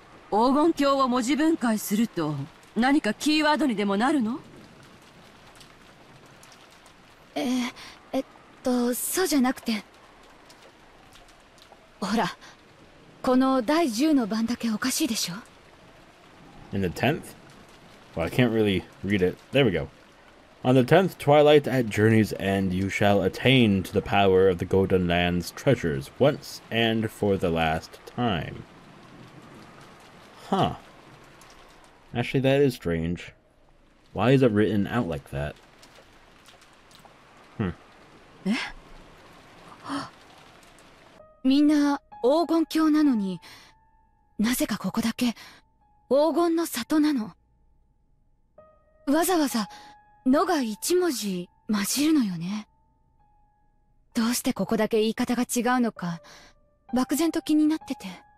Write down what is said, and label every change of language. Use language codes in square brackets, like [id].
[ja] 黄金鏡を文字分解すると、何かキーワードにでもなるの? そうじゃなくて。ほら、この第10の番だけおかしいでしょ? [en] In the 10th? Well, I can't really read it. There we go. On the 10th twilight at journey's end, you shall attain to the power of the Golden Land's treasures once and for the last time. Huh. Actually, that is strange. Why is it written out like that? Hmm. Eh? [ja] みんな黄金郷なのになぜかここだけ黄金の里なの。わざわざのが一文字混じるのよね。どうしてここだけ言い方が違うのか漠然と気になってて。